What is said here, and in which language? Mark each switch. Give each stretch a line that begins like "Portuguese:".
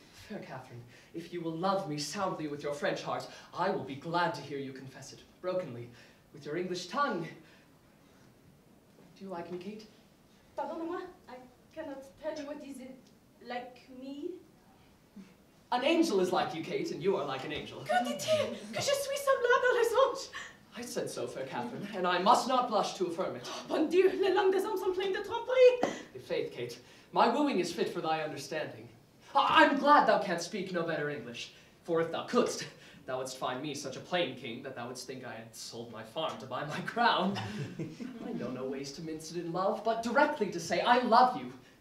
English: Fair Catherine, if you will love me soundly with your French heart, I will be glad to hear you confess it brokenly with your English tongue. Do you like me, Kate?
French: Pardonne-moi,
English: I cannot tell you what is it like me. An angel is like you, Kate, and you are like an angel. Good idea,
French: que je suis semblable à les anges.
English: I said so, fair Catherine, and I must not blush to affirm it.
French: Oh, bon Dieu, les langues des hommes sont pleines de tromperie.
English: Your faith, Kate, my wooing is fit for thy understanding. I'm glad thou canst speak no better English, for if thou couldst, thou wouldst find me such a plain king that thou wouldst think I had sold my farm to buy my crown. I know no ways to mince it in love, but directly to say I love you.